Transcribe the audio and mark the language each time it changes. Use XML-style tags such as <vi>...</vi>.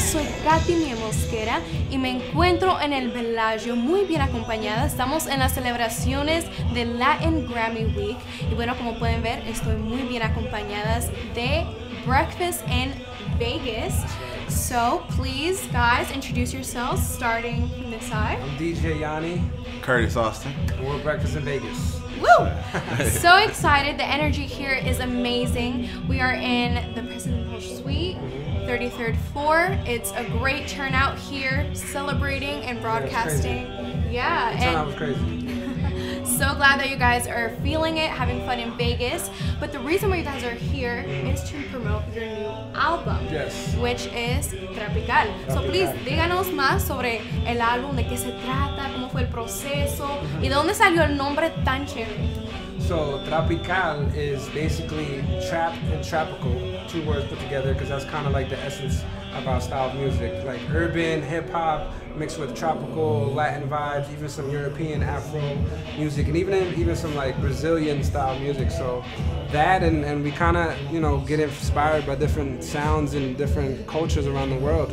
<es>Soy Katy Niemosquera y me encuentro en el Bellagio muy bien acompañada. Estamos en las celebraciones de Latin Grammy Week y bueno, como pueden ver, estoy muy bien acompañada de Breakfast in Vegas.</es> <en>So, please, guys, introduce yourselves, starting from this side. I'm DJ Yonny. Curtis Austin. We're Breakfast in Vegas. Woo! So excited. The energy here is amazing. We are in the Presidential Suite. 33rd floor. It's a great turnout here, celebrating and broadcasting. Yeah, it was crazy. So glad that you guys are feeling it, having fun in Vegas. But the reason why you guys are here is to promote your new album. Yes. Which is TRAPICAL. So please,</en> <es>díganos más sobre el álbum, de qué se trata, cómo fue el proceso, y de dónde salió el nombre tan chévere.</es> <en>So TRAPICAL is basically trap and tropical. Two words put together, because that's kind of like the essence of our style of music, like urban hip hop mixed with tropical Latin vibes, even some European Afro music, and even some like Brazilian style music. So that and we kind of, you know, get inspired by different sounds and different cultures around the world.</en>